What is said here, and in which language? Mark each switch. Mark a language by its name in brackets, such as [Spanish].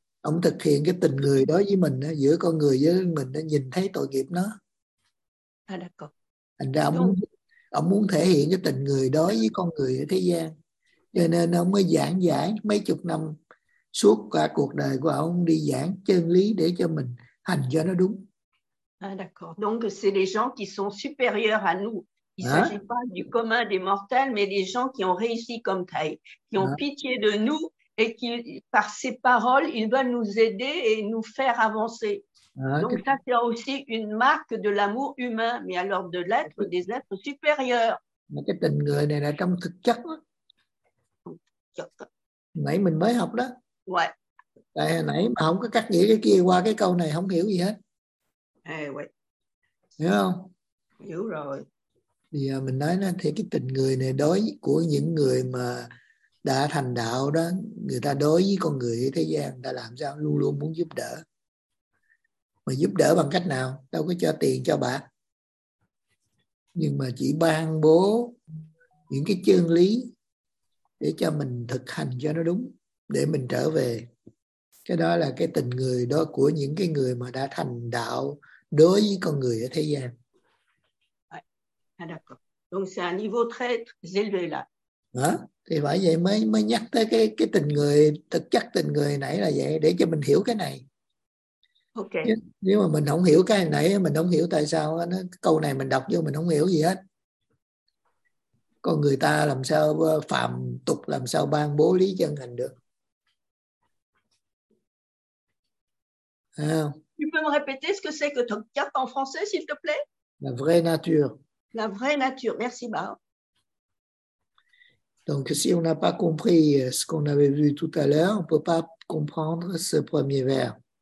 [Vietnamese] Ông thực hiện cái tình người đối với mình, giữa con người với mình, để nhìn thấy tội nghiệp nó. Thành ra ông muốn thể hiện cái tình người đối với con người ở thế gian. Cho nên ông mới giảng giải mấy chục năm, suốt cả cuộc đời của ông đi giảng chân lý để cho mình hành cho nó đúng. [French] Donc c'est les gens qui sont supérieurs à nous. Il s'agit pas du commun des mortels, mais des gens qui ont réussi comme thầy, qui ont pitié de nous. Et qui, par ses paroles, il va nous aider et nous faire avancer. Donc ça, c'est aussi une marque de l'amour humain, mais alors de l'être, des êtres supérieurs. [Vietnamese] Mais cái tình người này là trong thực chất. Nãy mình mới học đó. [French] Ouais. [Vietnamese] Tại nãy mà không có cắt nghĩa cái kia qua cái câu này, không hiểu gì hết. [French] Ouais. [Vietnamese] Hiểu không? Hiểu rồi. Thì mình nói là thì cái tình người này đối của những người mà đã thành đạo đó, người ta đối với con người thế gian đã làm sao luôn luôn muốn giúp đỡ, mà giúp đỡ bằng cách nào, đâu có cho tiền cho bạc, nhưng mà chỉ ban bố những cái chân lý để cho mình thực hành cho nó đúng, để mình trở về. Cái đó là cái tình người đó của những cái người mà đã thành đạo đối với con người ở thế gian. [French] Donc c'est un niveau très élevé là. [Vietnamese] Đó. Thì bởi vậy mới nhắc tới cái tình người, thực chất tình người nãy là vậy, để cho mình hiểu cái này. [English] Ok. [Vietnamese] Nếu mà mình không hiểu cái nãy, mình không hiểu tại sao nó, câu này mình đọc vô mình không hiểu gì hết. Còn người ta làm sao phạm tục, làm sao ban bố lý chân hành được. Thấy không? [French] Tu peux me répéter ce que c'est que thực chất en français, s'il te plaît? La vraie nature. La vraie nature, merci Bao. Donc, si on n'a pas compris ce qu'on avait vu tout à l'heure, on ne peut pas comprendre ce premier vers.